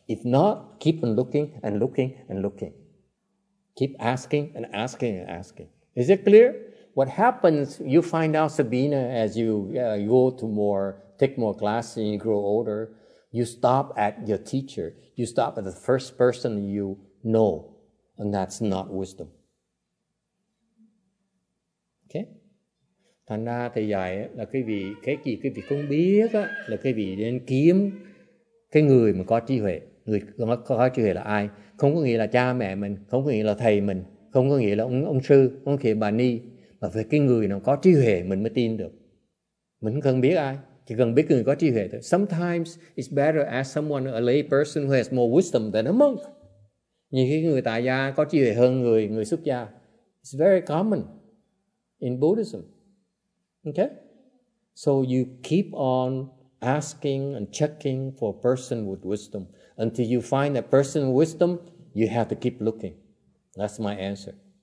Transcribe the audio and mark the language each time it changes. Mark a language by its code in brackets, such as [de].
[en] If not, keep on looking and looking and looking. Keep asking and asking and asking. Is it clear? What happens, you find out, Sabina, as you take more classes and you grow older, you stop at your teacher. You stop at the first person you know, and that's not wisdom. [vi] Thành ra thì dạy là quý vị, cái gì quý vị không biết á, là quý vị nên kiếm cái người mà có trí huệ. Người có trí huệ là ai? Không có nghĩa là cha mẹ mình, không có nghĩa là thầy mình, không có nghĩa là ông sư, không có nghĩa là bà ni, mà phải cái người nào có trí huệ mình mới tin được. Mình không cần biết ai, chỉ cần biết người có trí huệ thôi. [en] Sometimes it's better ask someone, a lay person who has more wisdom than a monk. [vi] Như cái người tại gia có trí huệ hơn người xuất gia. [en] It's very common in Buddhism. Okay? So you keep on asking and checking for a person with wisdom. Until you find that person with wisdom, you have to keep looking. That's my answer.